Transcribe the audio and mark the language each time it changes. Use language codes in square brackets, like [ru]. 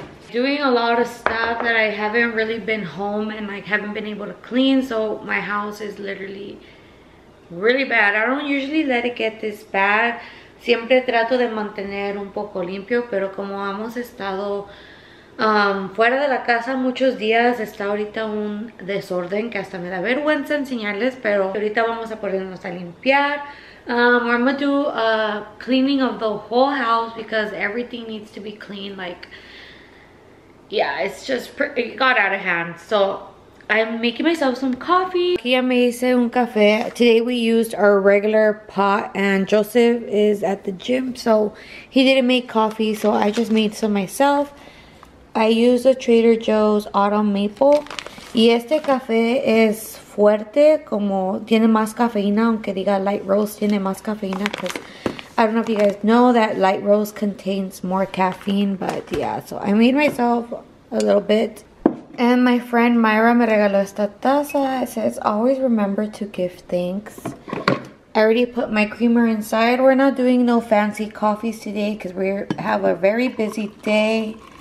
[en] Doing a lot of stuff that I haven't really been home and like haven't been able to clean. So my house is literally really bad. I don't usually let it get this bad. [es] Siempre trato de mantener un poco limpio, pero como hemos estado fuera de la casa muchos días, está ahorita un desorden que hasta me da vergüenza enseñarles, pero ahorita vamos a ponernos a limpiar. [en] I'm gonna do a cleaning of the whole house because everything needs to be clean. Like, yeah, it's just pretty, it got out of hand. So I'm making myself some coffee. [es] Aquí ya me hice un café. [en] Today we used our regular pot and Joseph is at the gym, so he didn't make coffee, so I just made some myself. I used the Trader Joe's Autumn Maple. [es] Y este café es fuerte, como tiene más cafeína, aunque diga light roast, tiene más cafeína. [en] Because I don't know if you guys know that light roast contains more caffeine, but yeah, so I made myself a little bit. And my friend Myra [es] me regaló esta taza. [en] It says, always remember to give thanks. I already put my creamer inside. We're not doing no fancy coffees today because we have a very busy day.